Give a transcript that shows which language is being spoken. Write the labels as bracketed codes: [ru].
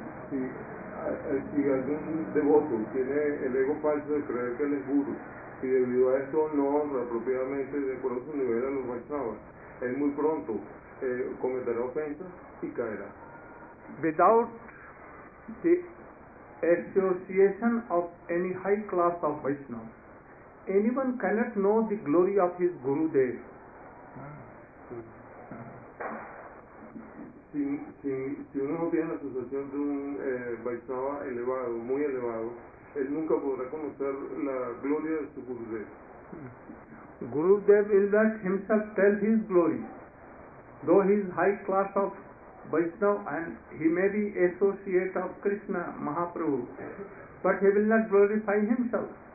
[es] Si algún devoto tiene el ego falso de creer que él es guru y debido a esto no honra apropiadamente de acuerdo a su nivel a los Vaishnavas, él muy pronto cometerá ofensas y caerá. [en] Without the association of any high class of Vaishnavas, anyone cannot know the glory of his Gurudev. [es] Si uno no tiene la asociación de un Vaishnava elevado, muy elevado, él nunca podrá conocer la gloria de su Gurudev. [en] Gurudev is that himself tell his glory. Though he is high class of Vaishnava and he may be associate of Krishna Mahaprabhu, but he will not glorify himself.